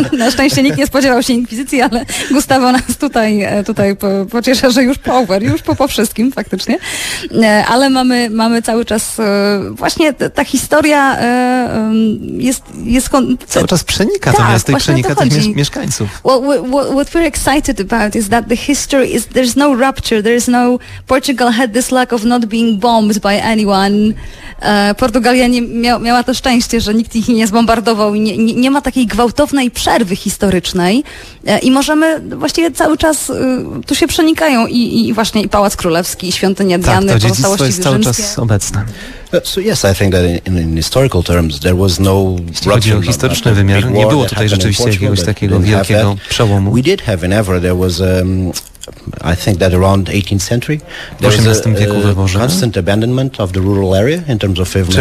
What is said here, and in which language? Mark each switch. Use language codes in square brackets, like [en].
[pl] Na szczęście nikt nie spodziewał się inkwizycji, ale Gustavo nas tutaj pociesza, że już po wszystkim faktycznie. Ale mamy cały czas, właśnie ta historia jest... Cały czas przenika to miasto i przenika tych mieszkańców. [en] Well, what we're excited about is that the history is, there's no rupture, there's no, Portugal had this luck of not being bombed by anyone. [pl] Portugalia miała to szczęście, że nikt ich nie zbombardował i nie ma takiej gwałtownej przerwy historycznej i możemy właściwie cały czas tu się przenikają i właśnie i Pałac Królewski, i Świątynia Diany, tak, pozostałości wierzyńskie. Tak, to dziedzictwo jest cały czas obecne. [en] So yes, I think that in historical terms there was no [pl] historyczny wymiar, nie było tutaj rzeczywiście jakiegoś takiego wielkiego przełomu. [en] We did have in Évora, there was I think that around 18th century there was a constant abandonment of the rural area in terms of